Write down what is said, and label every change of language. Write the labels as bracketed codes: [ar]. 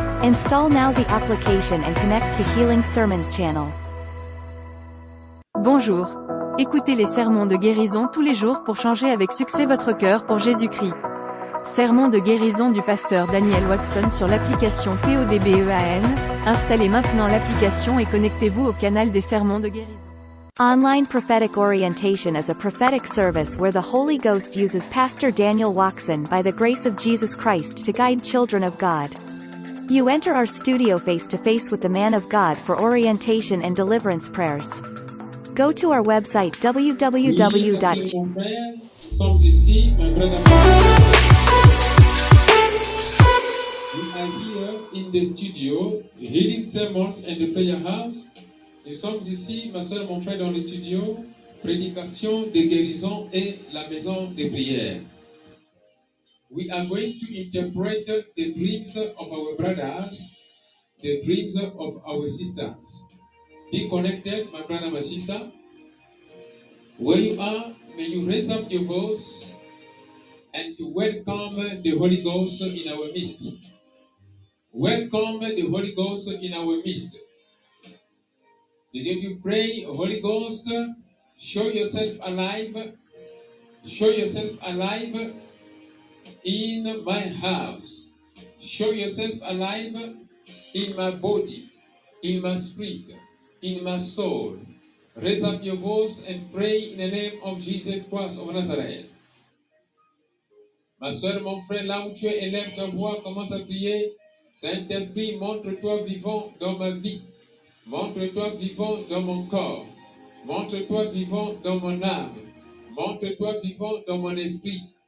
[en] Install now the application and connect to Healing Sermons channel. [fr] Bonjour. Écoutez les sermons de guérison tous les jours pour changer avec succès votre cœur pour Jésus-Christ. Sermon de guérison du pasteur Daniel Watson sur l'application TODBEAN. Installez maintenant l'application et connectez-vous au canal des sermons de guérison. [en] Online prophetic orientation is a prophetic service where the Holy Ghost uses Pastor Daniel Watson by the grace of Jesus Christ to guide children of God. You enter our studio face to face with the man of God for orientation and deliverance prayers. Go to our website www.. We are here in the studio, healing sermons and the prayer house. [fr] Nous sommes ici, ma soeur, mon frère, dans le studio, prédication de guérison et la maison de prière. [en] We are going to interpret the dreams of our brothers, the dreams of our sisters. Be connected, my brother, my sister. Where you are, may you raise up your voice and to welcome the Holy Ghost in our midst. Welcome the Holy Ghost in our midst. Begin to pray, Holy Ghost, show yourself alive. Show yourself alive in my house. Show yourself alive in my body, in my spirit, in my soul. Raise up your voice and pray in the name of Jesus Christ of Nazareth. [fr] Ma soeur, mon frère, là où tu es, élève ta voix, commence à prier. Saint-Esprit, montre-toi vivant dans ma vie. Montre-toi vivant dans mon corps. Montre-toi vivant dans mon âme. Montre-toi vivant dans mon esprit.